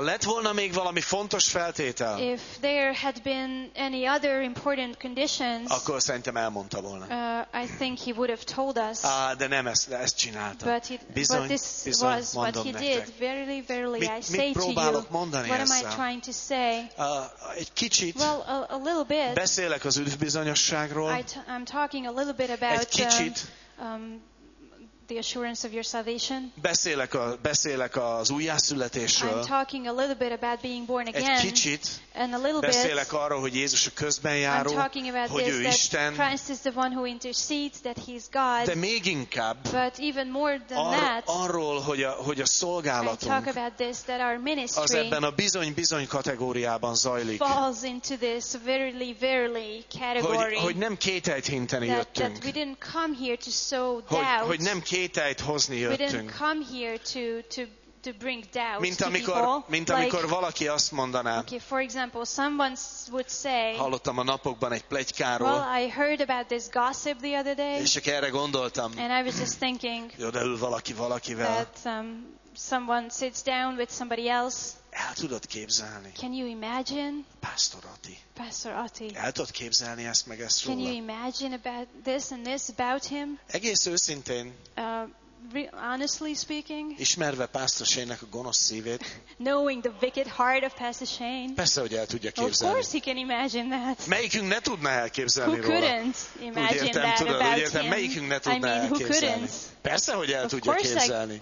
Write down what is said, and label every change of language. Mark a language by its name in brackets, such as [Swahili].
[Hungarian] lett volna még valami fontos feltétel, [English] if there had been any other important conditions, [Hungarian] akkor szerintem elmondta volna. [English] I think he would have told us, [Hungarian] de nem ezt csinálta. [English] But he, [Hungarian] bizony, [English] but this [Hungarian] bizony, [English] was [Hungarian] mondom [English] what he [Hungarian] nektek. [English] Did. Verily, verily, [Hungarian] mit, [English] I say [Hungarian] mit próbálok [English] to you, [Hungarian] mondani [English] what [Hungarian] ezzel? [English] Am I trying to say? [Hungarian] Egy kicsit [English] well, a little bit, [Hungarian] beszélek az üdvbizonyosságról. [English] I'm talking a little bit about [Hungarian] egy kicsit [English] the assurance of your salvation. [Hungarian] Beszélek az újjászületésről. [English] I'm talking a little bit about being born again. [Hungarian] Egy kicsit. [English] And a little bit. [Hungarian] Beszélek arról, hogy Jézus a közbenjáró, hogy [English] this, [Hungarian] ő Isten. [English] Christ is the one who intercedes, that he's God. [Hungarian] De még inkább. [English] But even more than that. [Hungarian] Arról, hogy a szolgálatunk. [English] I talk about this, that our ministry. [Hungarian] Az ebben a bizony kategóriában zajlik. [English] Falls into this verily category. [Hungarian] Hogy nem kételyt hinteni jöttünk. [English] That we didn't come here to sow doubt. [Hungarian] Hogy nem kételyt hozni jöttünk. [English] We didn't come here to bring doubt [Hungarian] mint amikor [English] like, [Hungarian] valaki azt mondaná. [English] Okay, for example, someone would say. [Hungarian] Hallottam a napokban egy pletykáról. [English] Well, I heard about this gossip the other day. [Hungarian] És csak erre gondoltam. [English] And I was just thinking. [Hungarian] Jó, de ül valaki valakivel. [English] That someone sits down with somebody else. [Hungarian] El tudod képzelni? [English] Can you imagine? Pastor Otti. [Hungarian] El tudod képzelni ezt meg ezt róla? [English] Can you imagine about this and this about him? [Hungarian] Egész őszintén. [English] Honestly speaking. [Hungarian] Ismerve Pastor Shane-nek a gonosz szívét. [English] Knowing the wicked heart of Pastor Shane. [Hungarian] Persze, hogy el tudja képzelni. [English] Of course he can imagine that. [Hungarian] Melyikünk ne tudná elképzelni róla? [English] Who couldn't imagine [Hungarian] értem, [English] that [Hungarian] tudod, [English] about [Hungarian] értem, [English] him? [Hungarian] Melyikünk ne tudná elképzelni? [English] Who couldn't? [Hungarian] Persze, hogy el tudja képzelni.